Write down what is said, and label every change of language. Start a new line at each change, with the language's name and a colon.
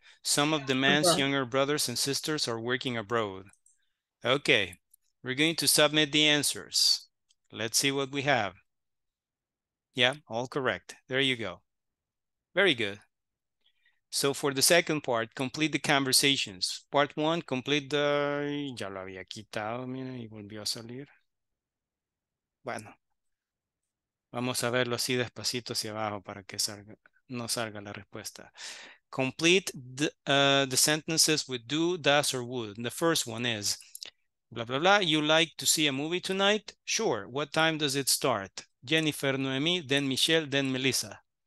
English: Some of the man's younger brothers and sisters are working abroad. Okay, we're going to submit the answers. Let's see what we have. Yeah, all correct. There you go. Very good. So for the second part, complete the conversations. Part one, complete the...
Spanish: Ya lo había quitado, mira, y volvió a salir. Bueno. Vamos a verlo así despacito hacia abajo para que salga, no salga la respuesta.
English: Complete the sentences with do, does, or would. And the first one is, blah, blah, blah, you like to see a movie tonight? Sure. What time does it start? Jennifer, Noemi, then Michelle, then Melissa.